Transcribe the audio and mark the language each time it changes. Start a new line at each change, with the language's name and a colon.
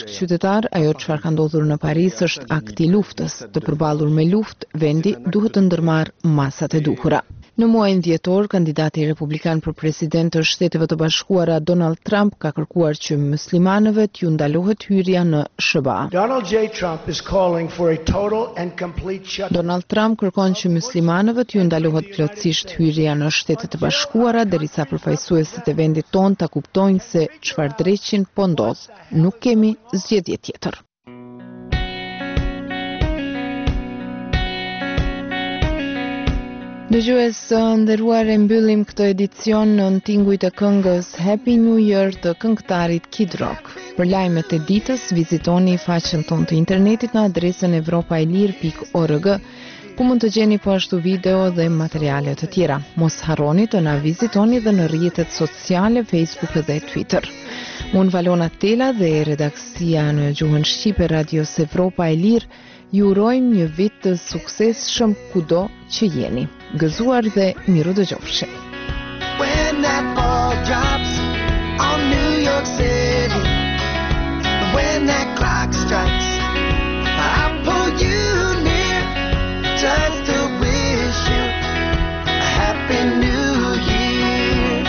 Albanian: Bashkëqytetar, ajo çfarë ka ndodhur në Paris është akti luftës. Të përballur me luftë, vendi duhet të ndërmarrë masat e duhura. Në muajin dhjetor, kandidati republikan për president të Shteteve të Bashkuara Donald Trump ka kërkuar që muslimanëve t'ju ndalohet hyrja në SBA. Donald J.
English: Trump is calling for a total and complete shutdown.
Albanian: Donald Trump kërkon që muslimanëve t'ju ndalohet plotësisht hyrja në Shtetet e Bashkuara derisa përfaqësuesit e vendit tonë ta kuptojnë se çfarë dreqin po ndodh. Nuk kemi zgjedhje tjetër. Dëgjues të nderuar, e mbyllim këtë edicion në tingujt e këngës Happy New Year të këngëtarit Kid Rock. Për lajmet e ditës, vizitoni faqen tonë të internetit në adresën evropailir.org, ku mund të gjeni po ashtu video dhe materiale të tjera. Mos harroni të na vizitoni edhe në rrjetet sociale Facebook dhe Twitter. Unë Valona Tela dhe redaksia në gjuhën shqipe Radios Evropa e Lirë ju urojmë një vit të suksesshëm kudo që jeni. Gëzuar dhe miru dë gjofshe.
English: When that ball drops on New York City, when that clock strikes, I'll pull you near just to wish you a happy new year.